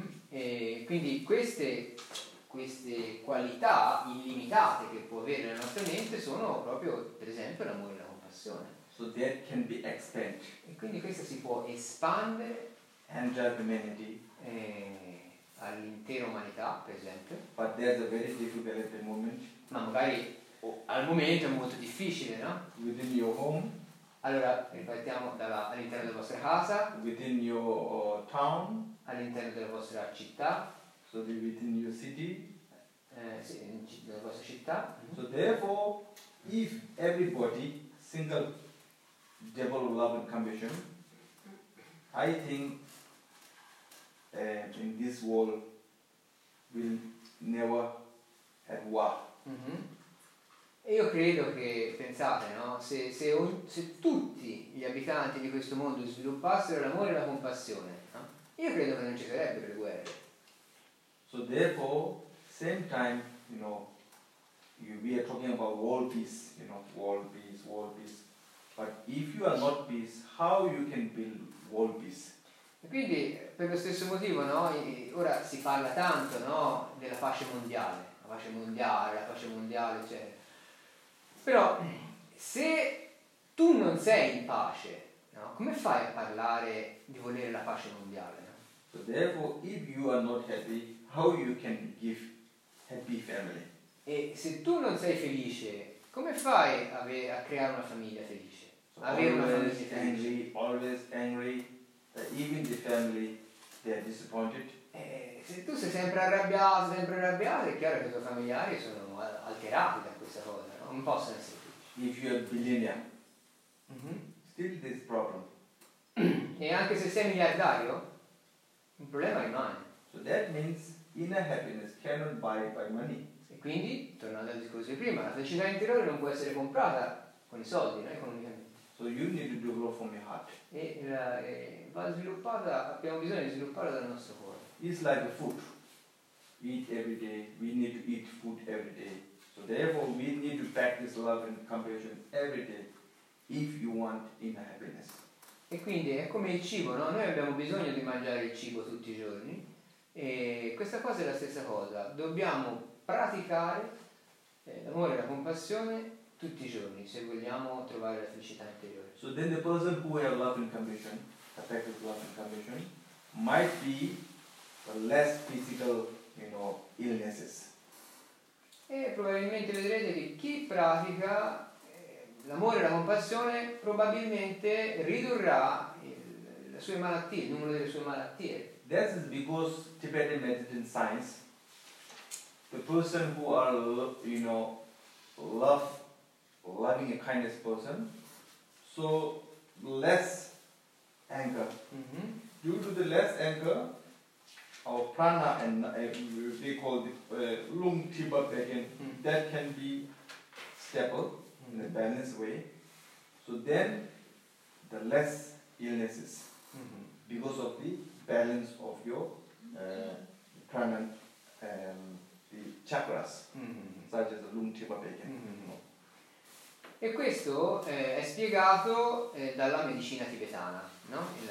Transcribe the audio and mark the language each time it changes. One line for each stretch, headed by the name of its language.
Italian: E quindi queste qualità illimitate che può avere la nostra mente sono proprio, per esempio, l'amore e la compassione.
English: So that can be expanded.
Italian: E quindi questa si può espandere.
English: And humanity.
Italian: All'intera umanità, per esempio.
English: But there's a very difficult at the moment.
Italian: Ma magari al momento è molto difficile, no?
English: Within your home.
Italian: Allora, ripartiamo all'interno della vostra casa.
English: Within your town.
Italian: All'interno della vostra città.
English: So within your city.
Italian: Sì, nella vostra città.
English: So therefore, if everybody single develop love and compassion, I think in this world will never have war.
Italian: Mm-hmm. E io credo che, pensate, no? Se tutti gli abitanti di questo mondo sviluppassero l'amore e la compassione, no? Io credo che non ci sarebbero le guerre.
English: So therefore, same time, you know, we are talking about world peace, you know, world peace. But if you are not peace, how you can build world peace?
Italian: E quindi, per lo stesso motivo, no? Ora si parla tanto, no? Della pace mondiale. La pace mondiale, cioè. Però se tu non sei in pace, no? Come fai a parlare di volere la pace mondiale? No?
English: So therefore, if you are not happy, how you can give happy family?
Italian: E se tu non sei felice, come fai a creare una famiglia felice? So avere una famiglia felice?
English: Angry, always angry, even the family, they are disappointed.
Italian: Se tu sei sempre arrabbiato, è chiaro che i tuoi familiari sono alterati da questa cosa. Non posso essere felice.
English: If you are billionaire, still this problem.
Italian: E anche se sei miliardario, il problema rimane.
English: So that means inner happiness cannot buy by money.
Italian: E quindi, tornando al discorso di prima, la felicità interiore non può essere comprata con i soldi, non economicamente.
English: So you need to develop from your heart.
Italian: Abbiamo bisogno di sviluppare dal nostro cuore.
English: It's like a food. Eat every day. We need to eat food every day. So therefore, we need to practice love and compassion every day if you want inner happiness.
Italian: E quindi è come il cibo, no? Noi abbiamo bisogno di mangiare il cibo tutti i giorni. E questa cosa è la stessa cosa. Dobbiamo praticare l'amore e la compassione tutti i giorni se vogliamo trovare la felicità interiore.
English: So then the person who has love and compassion, a practice love and compassion, might be less physical, you know, illnesses.
Italian: E probabilmente vedrete che chi pratica l'amore e la compassione probabilmente ridurrà le sue malattie, il numero delle sue malattie.
English: That is because Tibetan medicine science, the person who are, you know, loving a kindness person, so less anger. Mm-hmm. Due to the less anger, our prana and they call it lung tiba bacon, that can be stable in a balanced way. So then the less illnesses because of the balance of your prana the chakras, such as the lung tiba bacon.
Italian: E questo è spiegato dalla medicina tibetana, no?